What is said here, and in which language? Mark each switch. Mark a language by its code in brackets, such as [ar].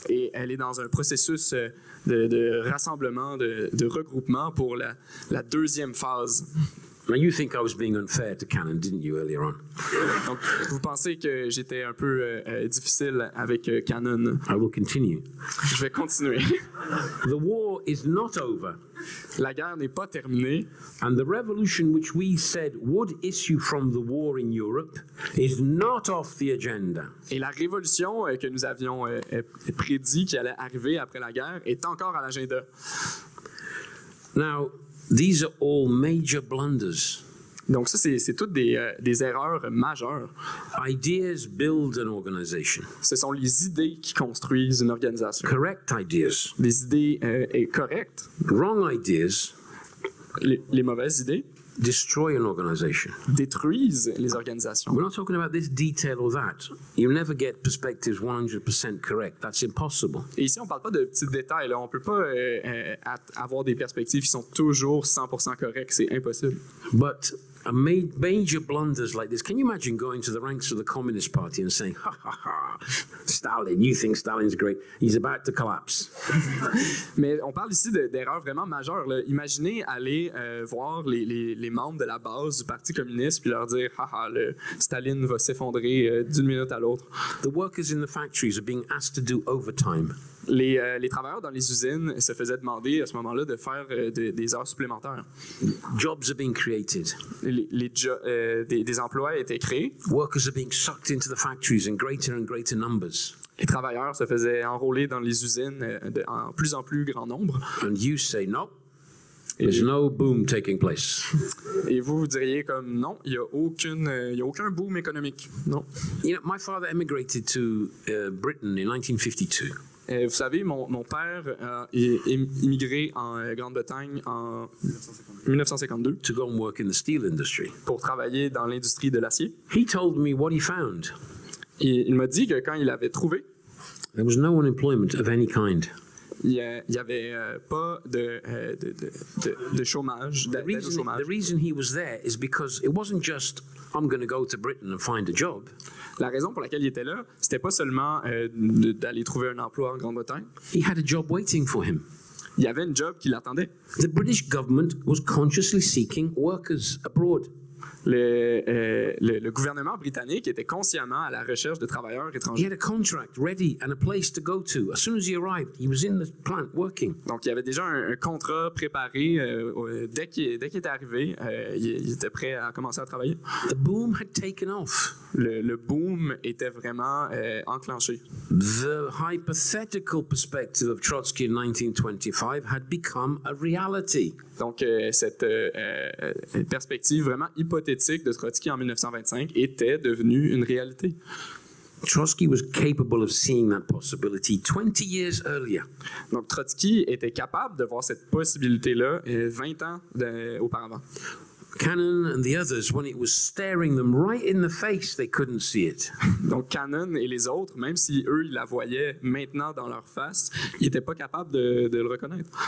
[fr] Et elle est dans un processus de rassemblement, de regroupement pour la deuxième phase. [en] Now you think I was being unfair to Cannon, didn't you, earlier on? [fr] Donc, vous pensez que j'étais un peu difficile avec Cannon. [en] I will continue. [fr] Je vais continuer. [en] The war is not over. [fr] La guerre n'est pas terminée. [en] And the revolution which we said would issue from the war in Europe is not off the agenda. [fr] Et la révolution que nous avions prédit qui allait arriver après la guerre est encore à l'agenda. [en] Now, these are all major blunders. [fr] Donc ça, c'est toutes des erreurs majeures. [en] Ideas build an organization. [fr] Ce sont les idées qui construisent une organisation. [en] Correct ideas. [fr] Les idées correctes. [en] Wrong ideas. [fr] Les mauvaises idées. [en] Destroy an organization. [fr] Détruisent les organisations. [en] We're not talking about this detail or that. You never get perspectives 100% correct. That's impossible. [fr] Et ici, on ne parle pas de petits détails. On ne peut pas avoir des perspectives qui sont toujours 100% correctes. C'est impossible. [en] But major blunders like this. Can you imagine going to the ranks of the Communist Party and saying, ha ha ha, Stalin, you think Stalin's great, he's about to collapse. [fr] Mais on parle ici d'erreurs vraiment majeures. Là. Imaginez aller voir les membres de la base du Parti communiste puis leur dire, ha ha, Staline va s'effondrer d'une minute à l'autre. [en] The workers in the factories are being asked to do overtime. [fr] Les travailleurs dans les usines se faisaient demander à ce moment-là de faire des heures supplémentaires. [en] Jobs are being created. [fr] Des emplois étaient créés. [en] Workers are being sucked into the factories in greater and greater numbers. [fr] Les travailleurs se faisaient enrôler dans les usines en plus en plus grand nombre. [en] And you say no. There's no boom taking place. [fr] Et vous diriez comme non, il y a aucun boom économique. Non. [en] You know, my father emigrated to Britain in 1952. [fr] Vous savez, mon père a immigré en Grande-Bretagne en 1952 [en] to go and work in the steel industry. [fr] Pour travailler dans l'industrie de l'acier. [en] He told me what he found. [fr] Il m'a dit que quand il avait trouvé, [en] there was no unemployment of any kind. [fr] Il n'y avait pas de chômage, d'aide au chômage. [en] The reason he was there is because it wasn't just I'm going to go to Britain and find a job. [fr] La raison pour laquelle il était là, c'était pas seulement d'aller trouver un emploi en Grande-Bretagne. [en] He had a job waiting for him. [fr] Il y avait un job qui l'attendait. [en] The British government was consciously seeking workers abroad. [fr] Le gouvernement britannique était consciemment à la recherche de travailleurs étrangers. [en] He had a contract ready and a place to go to. As soon as he arrived, he was in the plant working. [fr] Donc il y avait déjà un contrat préparé dès qu'il était arrivé, il était prêt à commencer à travailler. [en] The boom had taken off. [fr] Le boom était vraiment enclenché. [en] The hypothetical perspective of Trotsky in 1925 had become a reality. [fr] Donc cette perspective vraiment hypothétique de Trotsky en 1925 était devenue une réalité. [en] Trotsky was capable of seeing that possibility 20 years earlier. [fr] Donc Trotsky était capable de voir cette possibilité là 20 ans auparavant. [en] Cannon and the others, when it was staring them right in the face, they couldn't see it. [fr] Donc Cannon et les autres, même si eux ils la voyaient maintenant dans leur face, ils étaient pas capables de le reconnaître.